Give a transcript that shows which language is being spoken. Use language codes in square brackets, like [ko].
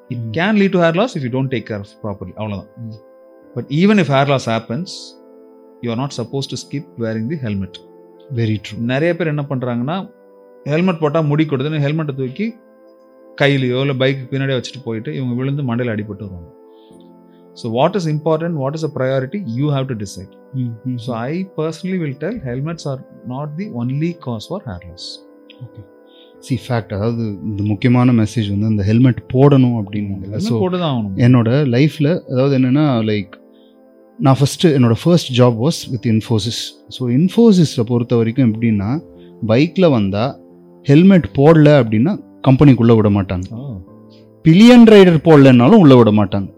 [en] it can lead to hair loss if you don't take care properly, [ta] அவ்வளோதான். [en] But even if hair loss happens, you are not suppose to skip wearing the helmet. Very true. [ta] நிறைய பேர் என்ன பண்ணுறாங்கன்னா helmet போட்டால் முடி கொடுத்துன்னு ஹெல்மெட்டை தூக்கி கையிலையோ இல்லை பைக்கு பின்னாடி வச்சுட்டு போயிட்டு இவங்க விழுந்து மண்டையில் அடிபட்டு வருவாங்க. [en] So what is important, what is a priority, you have to decide. So I personally will tell, helmets are not the only cause for hair loss. Okay. See, fact, [ta] அதாவது இந்த முக்கியமான மெசேஜ் வந்து இந்த ஹெல்மெட் போடணும் அப்படின்னு. So போட்டுதான் ஆகணும். என்னோட லைஃப்பில் அதாவது என்னென்னா, லைக் நான் ஃபஸ்ட்டு என்னோடய [en] First job was with Infosys. [ta] So இன்ஃபோசிஸில் பொறுத்த வரைக்கும் எப்படின்னா, பைக்கில் வந்தால் ஹெல்மெட் போடலை அப்படின்னா கம்பெனிக்குள்ளே விட மாட்டாங்க, பில்லியன் ரைடர் போடலைன்னாலும் உள்ளே விட மாட்டாங்க.